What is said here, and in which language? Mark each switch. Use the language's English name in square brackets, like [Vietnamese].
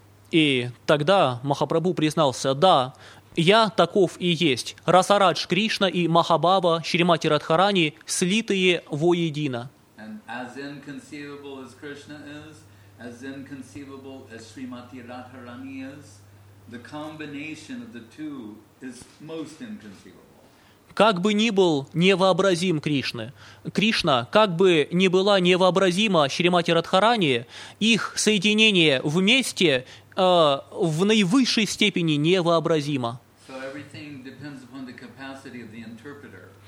[Russian] И тогда Махапрабху признался, да, я таков и есть, Расарадж Кришна и Махабхава Шримати Радхарани слитые воедино. [English] As inconceivable as Krishna is, as inconceivable as Srimati Radharani is, the combination of the two is most inconceivable. [Russian] Как бы ни был невообразим Кришна, Кришна, как бы ни была невообразима Шримати Радхарани, их соединение вместе в наивысшей степени невообразимо. [English] So everything depends upon the capacity of the interpreter.